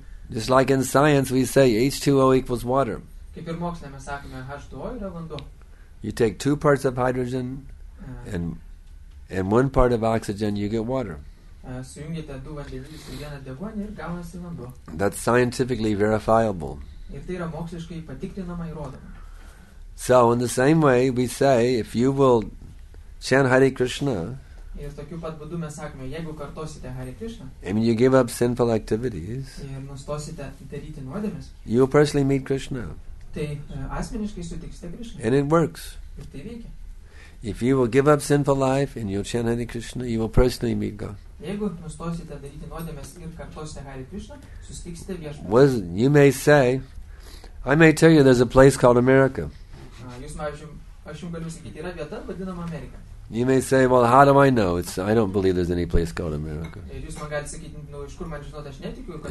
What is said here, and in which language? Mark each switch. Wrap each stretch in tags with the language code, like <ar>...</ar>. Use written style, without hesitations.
<en>Just like in science, we say H2O equals water. You take two parts of hydrogen and one part of oxygen, you get water.</en> <lt>Sujungite du vandenilius ir vieną deguonį ir gaunasi vanduo.</lt> <en>That's scientifically verifiable.</en> <lt>Ir tai yra moksliškai patikrinama įrodoma.</lt> <en>So in the same way we say if you will chant Hare Krishna.</en> <lt>Ir tokiu pat būdu mes sakome, jeigu kartosite Hare Krishna.</lt> <en>And you give up sinful activities.</en> <lt>Ir nustosite daryti nuodėmes.</lt> <en>You will personally meet Krishna.</en> <lt>Tai asmeniškai sutiksite Krishna.</lt> <en>And it works.</en> <lt>Ir tai veikia.</lt> <en>If you will give up sinful life and you'll chant Hare Krishna, you will personally meet God.</en> <lt>Jeigu nustosite daryti nuodėmes ir kartosite Hare Krishna, susitiksite viešpatį.</lt> <en>Was you may say, I may tell you there's a place called America.</en> <lt>Aš jums galiu sakyti, yra vieta vadinama Amerika.</lt> <en>You may say, well, how do I know? I don't believe there's any place called America.</en> <lt>Ir jūs man galite sakyti, nu, iš kur man žinot, aš netikiu, kad</lt>